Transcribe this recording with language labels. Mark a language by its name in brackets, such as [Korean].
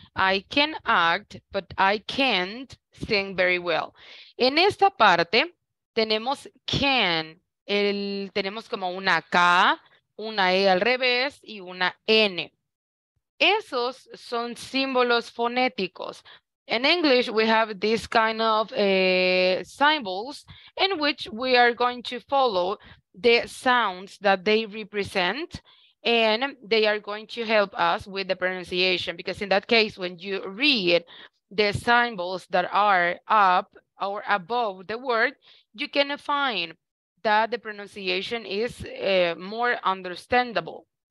[English] I can act, but I can't sing very well. [Spanish] En esta parte tenemos can, tenemos como una K, una E al revés y una N. Esos son símbolos fonéticos. [English] In English, we have this kind of symbols in which we are going to follow the sounds that they represent and they are going to help us with the pronunciation because in that case, when you read the symbols that are up or above the word, you can find that the pronunciation is more understandable.